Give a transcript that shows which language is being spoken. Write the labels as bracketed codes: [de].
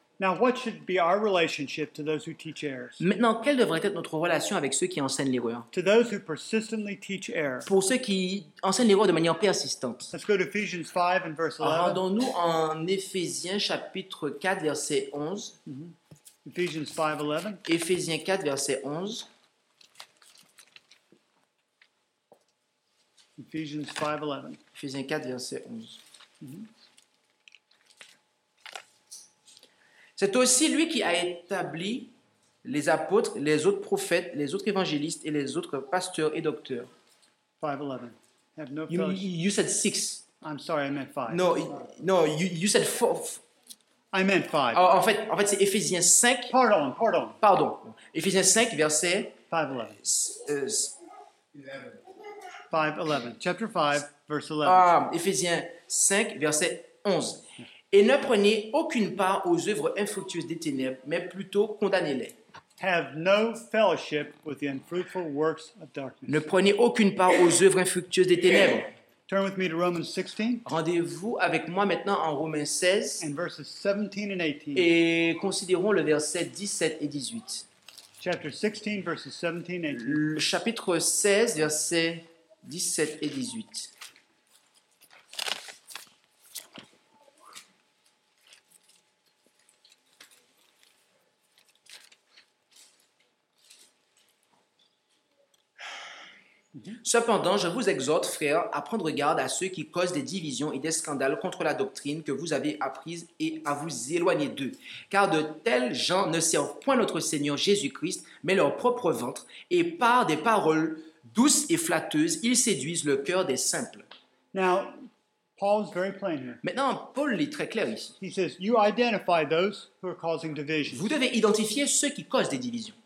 [en] Now, what should be our relationship to those who teach errors? [fr] Maintenant, quelle devrait être notre relation avec ceux qui enseignent l'erreur? [en] To those who persistently teach errors. [fr] Pour ceux qui enseignent l'erreur de manière persistante. [en] Let's go to Ephesians 5 and verse 11. [fr] Rendons-nous en Éphésiens chapitre 4 verset 11. [en] Mm-hmm. Ephesians 5, 11. [fr] Éphésiens 4 verset 11. [en] Ephesians 5, 11. [fr] Ephésiens 4 verset 11. Mm-hmm. C'est aussi lui qui a établi les apôtres, les autres prophètes, les autres évangélistes et les autres pasteurs et docteurs. 5:11. [en] No, you said 6. I'm sorry, I meant 5. No, you said 4. I meant 5. [fr] Oh, en fait, c'est Éphésiens 5. Pardon. Pardon. Éphésiens 5, verset 5:11. 5:11. [en] Chapter 5, verse 11. [fr] Éphésiens 5, verset 11. Et ne prenez aucune part aux œuvres infructueuses des ténèbres, mais plutôt condamnez-les. [en] Have no fellowship with the unfruitful works of darkness. [fr] Ne prenez aucune part aux œuvres infructueuses des ténèbres. [en] Turn with me to Romans 16. [fr] Rendez-vous avec moi maintenant en Romains 16. [en] And verses 17 and 18. [fr] Et considérons le verset 17 et 18. [en] Chapter 16, verses 17 and 18. [fr] Le chapitre 16, versets 17 et 18. Cependant, je vous exhorte, frères, à prendre garde à ceux qui causent des divisions et des scandales contre la doctrine que vous avez apprise et à vous éloigner d'eux. Car de tels gens ne servent point notre Seigneur Jésus-Christ, mais leur propre ventre, et par des paroles douces et flatteuses, ils séduisent le cœur des simples. [en] Now, Paul is very plain here. [fr] Maintenant, Paul est très clair ici. [en] He says, you identify those who are causing divisions. [fr] Vous devez identifier ceux qui causent des divisions.